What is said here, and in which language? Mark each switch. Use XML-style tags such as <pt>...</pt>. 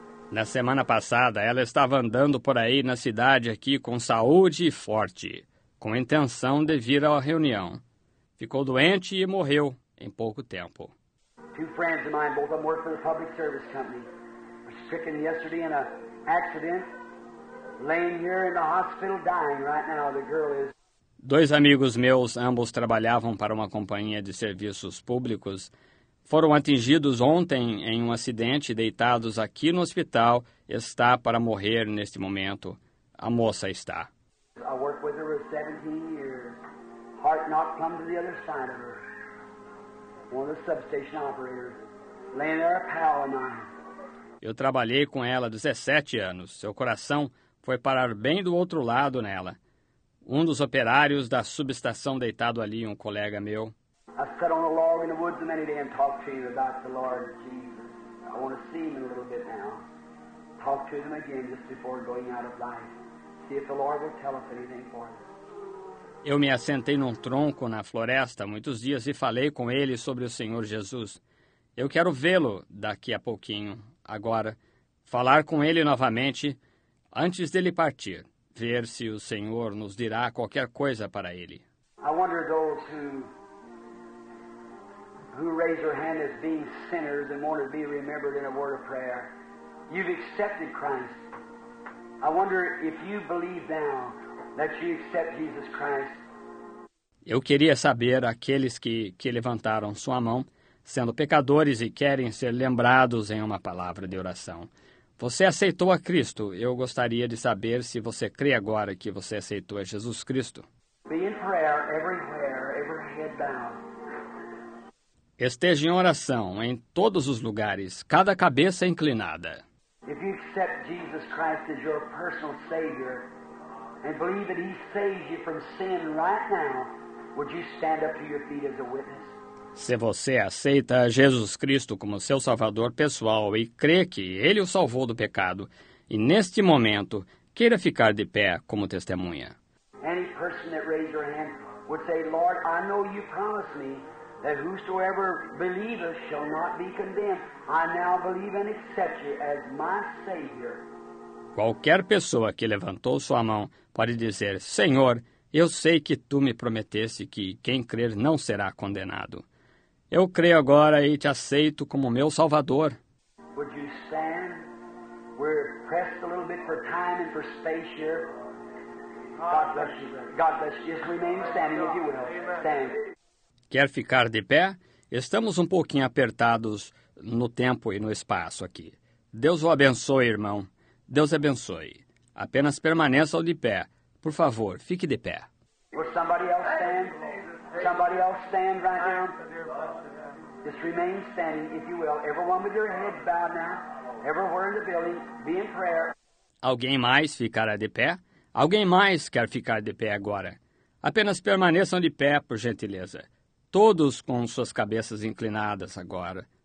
<pt>Na semana passada, ela estava andando por aí na cidade aqui com saúde e forte, com intenção de vir à reunião. Ficou doente e morreu em pouco tempo.</pt> <en>Two friends of mine, both of them work for the public service company, were stricken yesterday in an accident, laying here in the hospital dying right now, the girl is.</en> <pt>Dois amigos meus, ambos trabalhavam para uma companhia de serviços públicos, foram atingidos ontem em um acidente, deitados aqui no hospital, está para morrer neste momento. A moça está.</pt> <en>I worked with her for 17 years. Heart not come to the other side of her. One of the substation operators. Laying there a pal of mine.</en> <pt>Eu trabalhei com ela 17 anos. Seu coração foi parar bem do outro lado nela. Um dos operários da subestação deitado ali, um colega meu.</pt> <en>I sat on a log in the woods many days and talked to you about the Lord Jesus. I want to see him in a little bit now. Talk to him again just before going out of life. See if the Lord will tell us anything for us.</en> <pt>Eu me assentei num tronco na floresta muitos dias e falei com ele sobre o Senhor Jesus. Eu quero vê-lo daqui a pouquinho, agora, falar com ele novamente, antes dele partir, ver se o Senhor nos dirá qualquer coisa para ele.</pt> <en>I wonder those who raise their hand as being sinners and want to be remembered in a word of prayer. You've accepted Christ. I wonder if you believe now. That you accept Jesus Christ.</en> <pt>Eu queria saber aqueles que levantaram sua mão, sendo pecadores e querem ser lembrados em uma palavra de oração. Você aceitou a Cristo. Eu gostaria de saber se você crê agora que você aceitou a Jesus Cristo.</pt> <en>Be in prayer everywhere, every head bowed.</en> <pt>Esteja em oração em todos os lugares, cada cabeça inclinada.</pt> <en>If you accept Jesus Christ as your personal Savior, and believe that he saves you from sin right now, would you stand up to your feet as a witness?</en> <pt>Se você aceita Jesus Cristo como seu salvador pessoal e crê que ele o salvou do pecado, e neste momento queira ficar de pé como testemunha.</pt> <en>Any person that raised your hand would say, Lord, I know you promised me that whosoever believeth shall not be condemned. I now believe and accept you as my Savior.</en> <pt>Qualquer pessoa que levantou sua mão pode dizer, Senhor, eu sei que Tu me prometeste que quem crer não será condenado. Eu creio agora e Te aceito como meu Salvador.</pt> <en>Would you stand? We're pressed a little bit for time and for space here. God bless you. God bless you. Just remain standing if you will. Stand.</en> <pt>Quer ficar de pé? Estamos um pouquinho apertados no tempo e no espaço aqui. Deus o abençoe, irmão. Deus abençoe. Apenas permaneça de pé. Por favor, fique de pé.</pt> <en>Will somebody else stand? Somebody else stand right now? Just remain standing, if you will. Everyone with your head bowed now. Everywhere in the building, be in prayer.</en> <pt>Alguém mais ficará de pé? Alguém mais quer ficar de pé agora? Apenas permaneçam de pé, por gentileza. Todos com suas cabeças inclinadas agora.</pt>